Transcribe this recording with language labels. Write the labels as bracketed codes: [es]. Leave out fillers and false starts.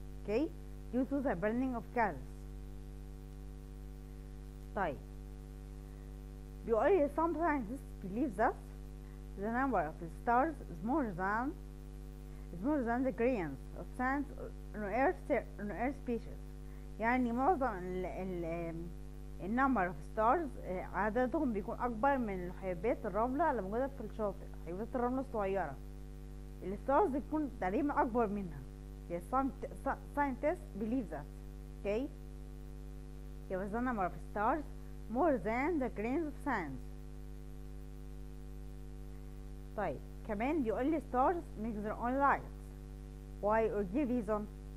[en] Okay, due to the burning of gas. [ar] طيب بيقول لي [en] some scientists believe that the number of the stars is more than the grains of sand on earth species. [ar] يعني معظم ال [en] number of stars [ar] عددهم بيكون اكبر من حبات الرملة اللي موجودة في الشاطئ، حبات الرملة الصغيرة. ال stars بيكون تقريبا اكبر منها. [en] Yes, some scientists believe that. Okay, there was the number of stars more than the grains of sand. [ar] طيب كمان بيقول لي [en] stars make their own light. Why or give reason?